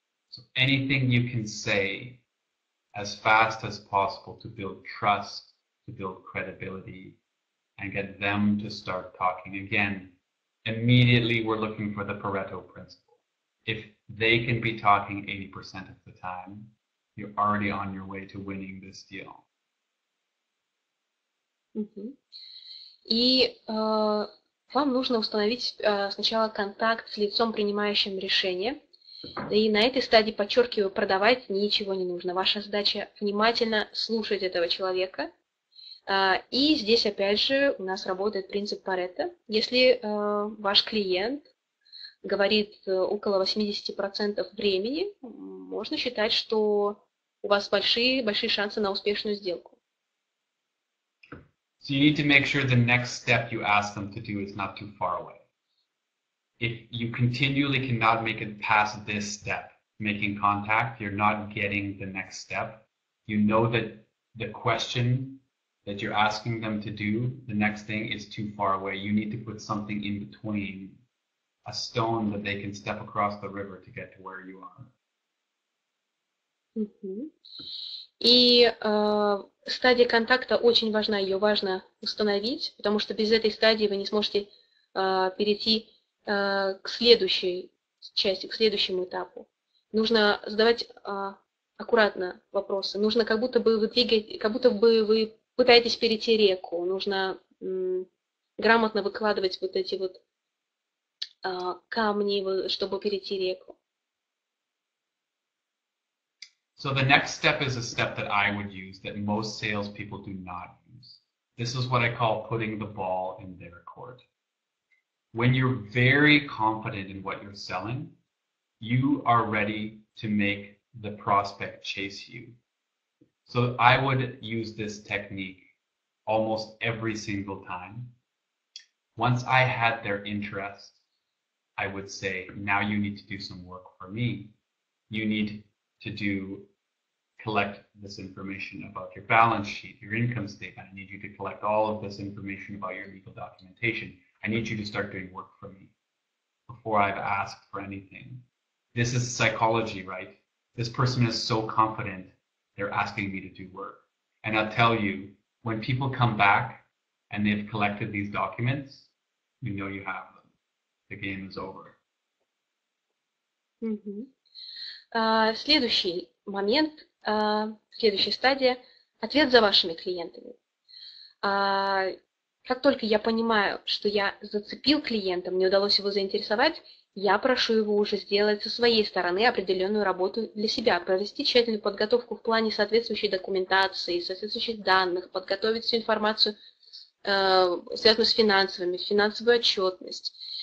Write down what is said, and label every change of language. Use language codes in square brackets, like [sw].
[en] So anything you can say as fast as possible to build trust, to build credibility, and get them to start talking again. Immediately, we're looking for the Pareto principle. If they can be talking 80% of the time, you're already on your way to winning this deal. [ru] И вам нужно установить сначала контакт с лицом, принимающим решение. И на этой стадии, подчеркиваю, продавать ничего не нужно. Ваша задача – внимательно слушать этого человека. И здесь, опять же, у нас работает принцип Паретта. Если ваш клиент говорит около 80% времени, можно считать, что у вас большие, большие шансы на успешную сделку. [en] So you need to make sure the next step you ask them to do is not too far away. If you continually cannot make it past this step, making contact, you're not getting the next step. You know that the question that you're asking them to do, the next thing, is too far away. You need to put something in between, a stone that they can step across the river to get to where you are. [ru] И стадия контакта очень важна, ее важно установить, потому что без этой стадии вы не сможете перейти к следующей части, к следующему этапу. Нужно задавать аккуратно вопросы. Нужно как будто бы вы двигаете, как будто бы вы пытаетесь перейти реку. Нужно грамотно выкладывать вот эти вот камни, чтобы перейти реку. [en] So the next step is a step that I would use that most salespeople do not use. This is what I call putting the ball in their court. When you're very confident in what you're selling, you are ready to make the prospect chase you. So I would use this technique almost every single time. Once I had their interest, I would say, now you need to do some work for me. You need to collect this information about your balance sheet, your income statement. I need you to collect all of this information about your legal documentation. I need you to start doing work for me before I've asked for anything. This is psychology, right? This person is so confident, they're asking me to do work. And I'll tell you, when people come back and they've collected these documents, you know you have them. The game is over. [ru] Следующий момент, следующая стадия – ответ за вашими клиентами. Как только я понимаю, что я зацепил клиента, мне удалось его заинтересовать, я прошу его уже сделать со своей стороны определенную работу для себя, провести тщательную подготовку в плане соответствующей документации, соответствующих данных, подготовить всю информацию, связанную с финансовыми, финансовую отчетность.